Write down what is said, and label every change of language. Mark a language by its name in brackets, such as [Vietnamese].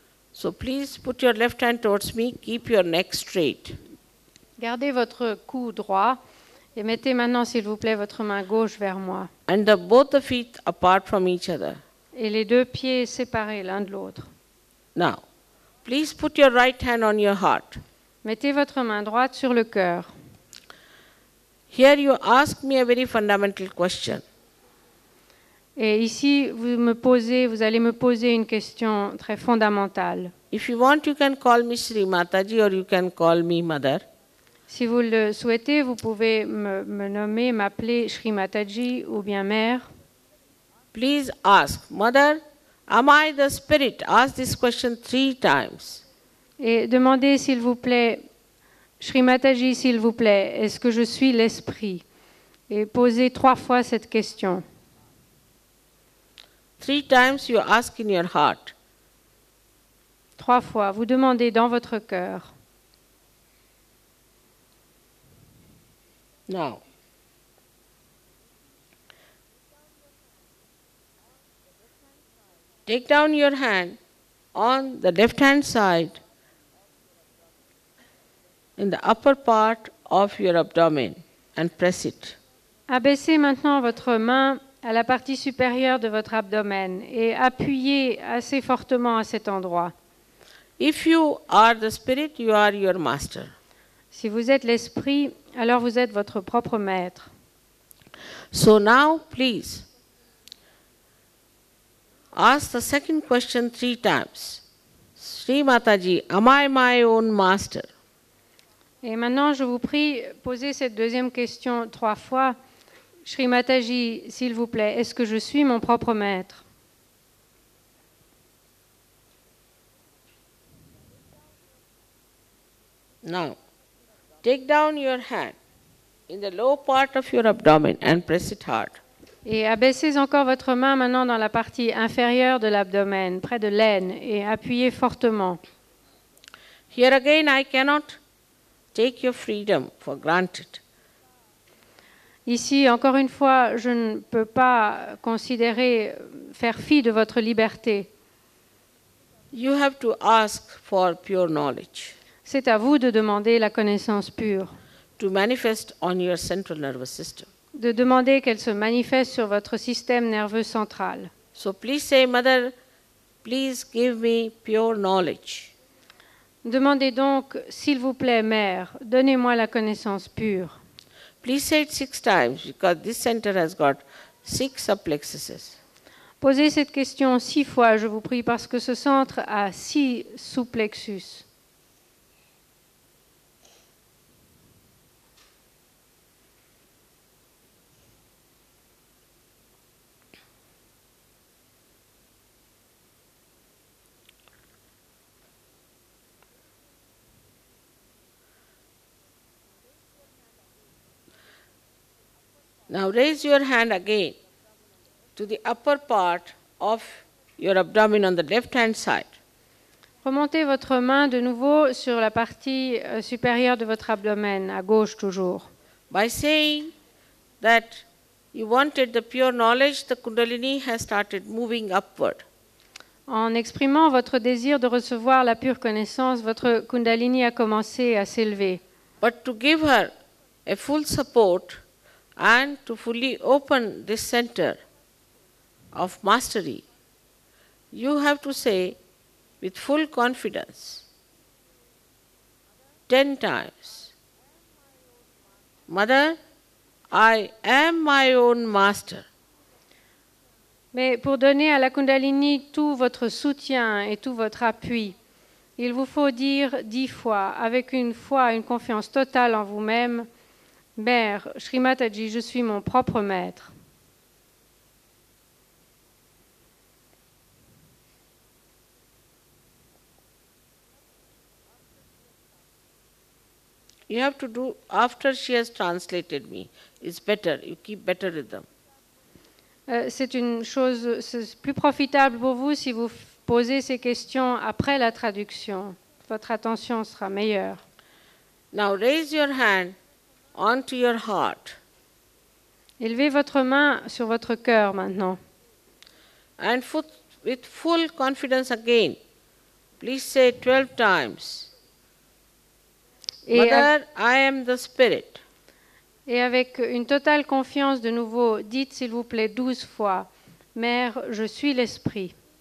[English] So please put your left hand towards me, keep your neck straight. [French] Gardez votre cou droit et mettez maintenant s'il vous plaît votre main gauche vers moi. [English] And the both the feet apart from each other. [French] Et les deux pieds séparés l'un de l'autre. [English] Now, please put your right hand on your heart. [French] Mettez votre main droite sur le cœur. [English] Here you ask me a very fundamental question. [French] Et ici, vous allez me poser une question très fondamentale. [English] If you want, you can call me Sri Mataji or you can call me Mother. [French] Si vous le souhaitez, vous pouvez me nommer, m'appeler Sri Mataji ou bien Mère. [English] Please ask, Mother, am I the spirit? Ask this question 3 times. [French] Et demandez, s'il vous plaît, Sri Mataji, s'il vous plaît, est-ce que je suis l'esprit? Et posez 3 fois cette question. [English] 3 times you ask in your heart. [French] 3 fois, vous demandez dans votre cœur. [English] Now. Take down your hand on the left hand side in the upper part of your abdomen and press it. [French] Abaissez maintenant votre main à la partie supérieure de votre abdomen et appuyez assez fortement à cet endroit. [English] If you are the spirit, you are your master. [French] Si vous êtes l'esprit, alors vous êtes votre propre maître. [English] So now, please, ask the second question 3 times. Sri Mataji, am I my own master? [French] Et maintenant, je vous prie, posez cette deuxième question 3 fois. Sri Mataji, s'il vous plaît, est-ce que je suis mon propre maître? [English] Now, take down your hand in the low part of your abdomen and press it hard. [French] Et abaissez encore votre main maintenant dans la partie inférieure de l'abdomen, près de l'aine, et appuyez fortement. [English] Here again, I cannot take your freedom for granted. [French] Ici, encore une fois, je ne peux pas considérer faire fi de votre liberté. [English] You have to ask for pure knowledge. [French] C'est à vous de demander la connaissance pure. [English] To manifest on your central nervous system. [French] De demander qu'elle se manifeste sur votre système nerveux central. [English] So please say, Mother, please give me pure knowledge. [French] Demandez donc, s'il vous plaît, Mère, donnez-moi la connaissance pure. [English] Please say it 6 times because this center has got 6 subplexuses. [French] Posez cette question 6 fois, je vous prie, parce que ce centre a 6 sous-plexus. [English] Now raise your hand again to the upper part of your abdomen on the left hand side. [French] Remontez votre main de nouveau sur la partie supérieure de votre abdomen, à gauche toujours. [English] By saying that you wanted the pure knowledge, the Kundalini has started moving upward. [French] En exprimant votre désir de recevoir la pure connaissance, votre Kundalini a commencé à s'élever. [English] But to give her a full support and to fully open this center of mastery, you have to say with full confidence 10 times, Mother, I am my own master. [French] Mais pour donner à la Kundalini tout votre soutien et tout votre appui, il vous faut dire 10 fois, avec une foi, une confiance totale en vous-même, Mère, Shri Mataji, je suis mon propre maître. [English] You have to do after she has translated me. It's better. You keep better rhythm. [French] C'est une chose, c'est plus profitable pour vous si vous posez ces questions après la traduction. Votre attention sera meilleure. [English] Now raise your hand onto your heart. [French] Élevez votre main sur votre cœur maintenant. [English] And with full confidence again, please say 12 times, Mother, I am the spirit. [French] Et avec une totale confiance de nouveau, dites s'il vous plaît 12 fois, Mère, je suis l'esprit.